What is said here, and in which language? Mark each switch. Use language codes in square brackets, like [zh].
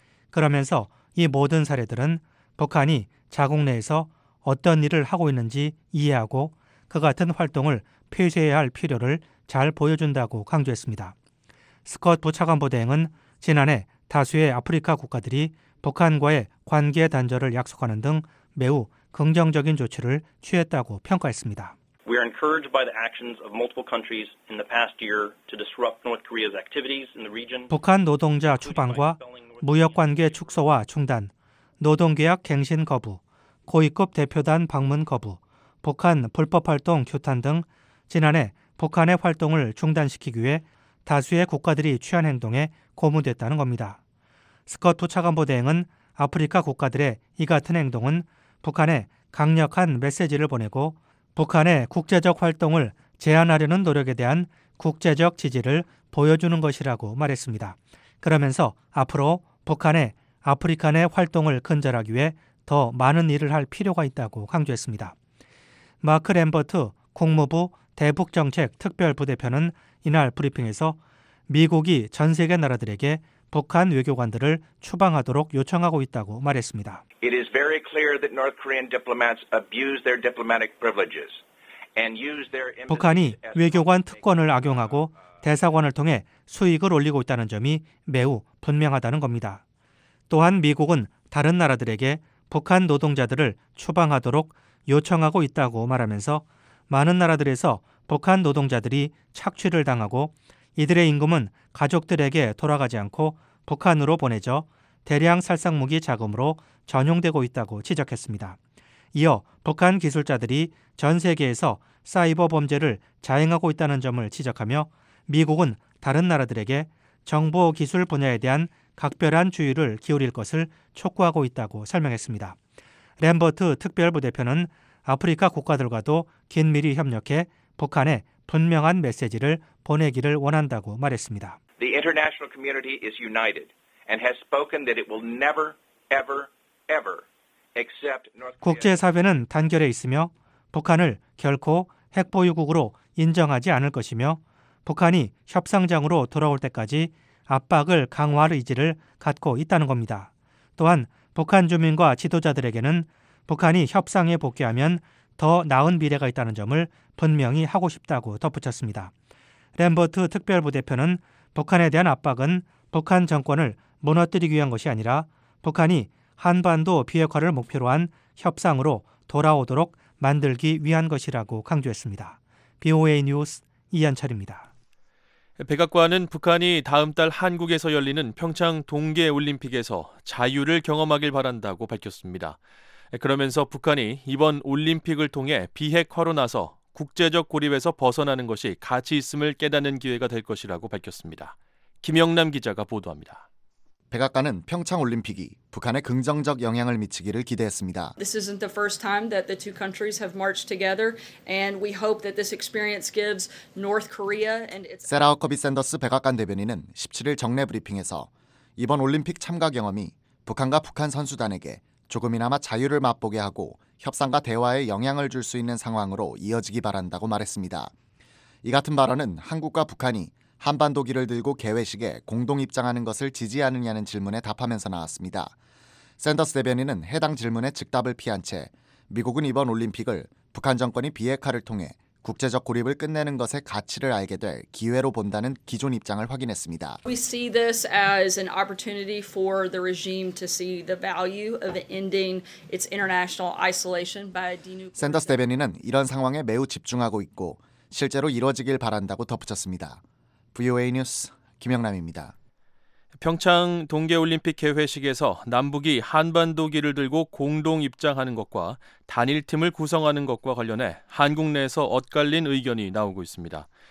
[ko] 그러면서 이 모든 사례들은 북한이 자국 내에서 어떤 일을 하고 있는지 이해하고 그 같은 활동을 폐쇄해야 할 필요를 잘 보여준다고 강조했습니다. 스콧 부차관보대행은 지난해 다수의 아프리카 국가들이 북한과의 관계 단절을 약속하는 등 매우 긍정적인 조치를 취했다고 평가했습니다. [en] We are encouraged by the actions of multiple countries in the past year to disrupt North Korea's activities in the region. [ko] 북한 노동자 추방과 무역 관계 축소와 중단, 노동 계약 갱신 거부, 고위급 대표단 방문 거부, 북한 불법 활동 규탄 등 지난해 북한의 활동을 중단시키기 위해 다수의 국가들이 취한 행동에 고무됐다는 겁니다. 스콧 부차관보대행은 아프리카 국가들의 이 같은 행동은 북한에 강력한 메시지를 보내고 북한의 국제적 활동을 제한하려는 노력에 대한 국제적 지지를 보여주는 것이라고 말했습니다. 그러면서 앞으로 북한의 아프리카 내 활동을 근절하기 위해 더 많은 일을 할 필요가 있다고 강조했습니다. 마크 램버트 국무부 대북정책특별부대표는 이날 브리핑에서 미국이 전 세계 나라들에게 북한 외교관들을 추방하도록 요청하고 있다고 말했습니다. [en] It is very clear that North Korean diplomats abuse their diplomatic privileges and use their [ko] 북한이 외교관 특권을 악용하고 대사관을 통해 수익을 올리고 있다는 점이 매우 분명하다는 겁니다. 또한 미국은 다른 나라들에게 북한 노동자들을 추방하도록 요청하고 있다고 말하면서 많은 나라들에서 북한 노동자들이 착취를 당하고 이들의 임금은 가족들에게 돌아가지 않고 북한으로 보내져 대량 살상무기 자금으로 전용되고 있다고 지적했습니다. 이어 북한 기술자들이 전 세계에서 사이버 범죄를 자행하고 있다는 점을 지적하며 미국은 다른 나라들에게 정보 기술 분야에 대한 각별한 주의를 기울일 것을 촉구하고 있다고 설명했습니다. 램버트 특별부대표는 아프리카 국가들과도 긴밀히 협력해 북한에 분명한 메시지를 보내기를 원한다고 말했습니다. [en] The international community is united and has spoken that it will never, ever, ever accept North Korea. [ko] 국제사회는 단결해 있으며 북한을 결코 핵보유국으로 인정하지 않을 것이며 북한이 협상장으로 돌아올 때까지 압박을 강화할 의지를 갖고 있다는 겁니다. 또한 북한 주민과 지도자들에게는 북한이 협상에 복귀하면 더 나은 미래가 있다는 점을 분명히 하고 싶다고 덧붙였습니다. 램버트 특별부대표는 북한에 대한 압박은 북한 정권을 무너뜨리기 위한 것이 아니라 북한이 한반도 비핵화를 목표로 한 협상으로 돌아오도록 만들기 위한 것이라고 강조했습니다. BOA 뉴스 이한철입니다. 백악관은 북한이 다음 달 한국에서 열리는 평창 동계올림픽에서 자유를 경험하길 바란다고 밝혔습니다. 그러면서 북한이 이번 올림픽을 통해 비핵화로 나서 국제적 고립에서 벗어나는 것이 가치 있음을 깨닫는 기회가 될 것이라고 밝혔습니다. 김영남 기자가 보도합니다. 백악관은 평창올림픽이 북한에 긍정적 영향을 미치기를 기대했습니다. [en] This isn't the first time that the two countries have marched together and we hope that this experience gives North Korea and its [ko] 세라 허커비 샌더스 백악관 대변인은 17일 정례 브리핑에서 이번 올림픽 참가 경험이 북한과 북한 선수단에게 조금이나마 자유를 맛보게 하고 협상과 대화에 영향을 줄 수 있는 상황으로 이어지기 바란다고 말했습니다. 이 같은 발언은 한국과 북한이 한반도기를 들고 개회식에 공동 입장하는 것을 지지하느냐는 질문에 답하면서 나왔습니다. 샌더스 대변인은 해당 질문에 즉답을 피한 채 미국은 이번 올림픽을 북한 정권이 비핵화를 통해 국제적 고립을 끝내는 것의 가치를 알게 될 기회로 본다는 기존 입장을 확인했습니다. [en] We see this as an opportunity for the regime to see the value of ending its international isolation by denuclearization. [ko] 샌더스 대변인은 이런 상황에 매우 집중하고 있고 실제로 이루어지길 바란다고 덧붙였습니다. VOA 뉴스 김영남입니다. 평창 동계올림픽 개회식에서 남북이 한반도기를 들고 공동 입장하는 것과 단일팀을 구성하는 것과 관련해 한국 내에서 엇갈린 의견이 나오고 있습니다.